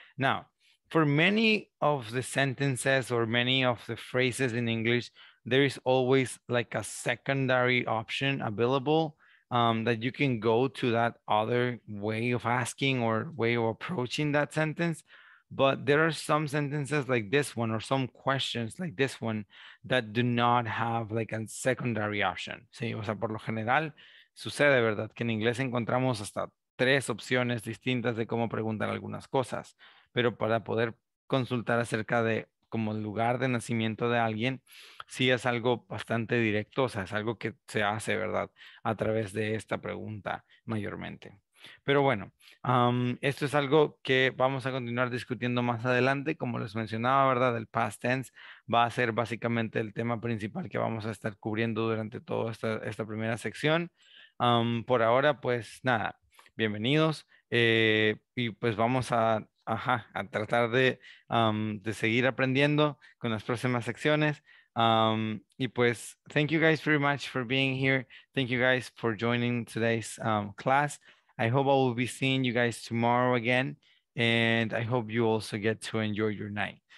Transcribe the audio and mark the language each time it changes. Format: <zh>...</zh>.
<en>Now, for many of the sentences or many of the phrases in English, there is always like a secondary option available that you can go to that other way of asking or way of approaching that sentence. But there are some sentences like this one or some questions like this one that do not have like a secondary option.</en> <es>Sí, o sea, por lo general, sucede, ¿verdad? Que en inglés encontramos hasta tres opciones distintas de cómo preguntar algunas cosas. Pero para poder consultar acerca de como el lugar de nacimiento de alguien, sí es algo bastante directo, o sea, es algo que se hace, ¿verdad? A través de esta pregunta mayormente. Pero bueno, esto es algo que vamos a continuar discutiendo más adelante. Como les mencionaba, ¿verdad? El past tense va a ser básicamente el tema principal que vamos a estar cubriendo durante toda esta primera sección. Por ahora, pues nada, bienvenidos. Y pues vamos a tratar de seguir aprendiendo con las próximas secciones. Y pues,</es> <en>thank you guys very much for being here. Thank you guys for joining today's class. I hope I will be seeing you guys tomorrow again. And I hope you also get to enjoy your night.</en>